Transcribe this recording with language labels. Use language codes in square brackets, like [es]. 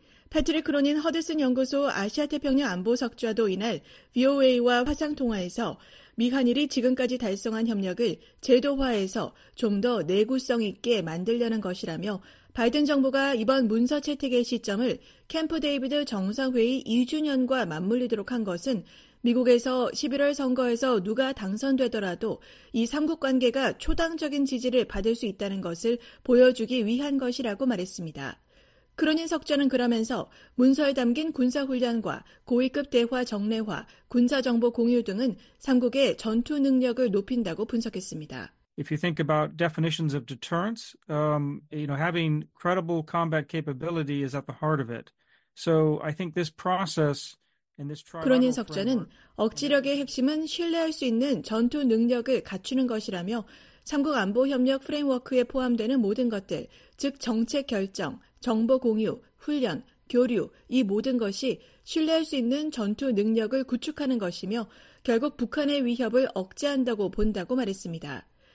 [ko] 패트릭 크로닌 허드슨 연구소 아시아태평양 안보석좌도 이날 VOA와 화상통화에서 미한일이 지금까지 달성한 협력을 제도화해서 좀 더 내구성 있게 만들려는 것이라며 바이든 정부가 이번 문서 채택의 시점을 캠프 데이비드 정상회의 2주년과 맞물리도록 한 것은 미국에서 11월 선거에서 누가 당선되더라도 이 3국 관계가 초당적인 지지를 받을 수 있다는 것을 보여주기 위한 것이라고 말했습니다. 크로닌 석좌는 그러면서 문서에 담긴 군사훈련과 고위급 대화 정례화, 군사정보 공유 등은 3국의 전투 능력을 높인다고 분석했습니다. [en] If you think about definitions of deterrence, you know, having credible combat capability is at the heart of it. So I think this process and this trial. [ko] 크로닌 석좌는 억지력의 핵심은 신뢰할 수 있는 전투 능력을 갖추는 것이라며 3국 안보협력 프레임워크에 포함되는 모든 것들, 즉 정책 결정, 정보 공유, 훈련, 교류, 이 모든 것이 신뢰할 수 있는 전투 능력을 구축하는 것이며 결국 북한의 위협을 억제한다고 본다고 말했습니다.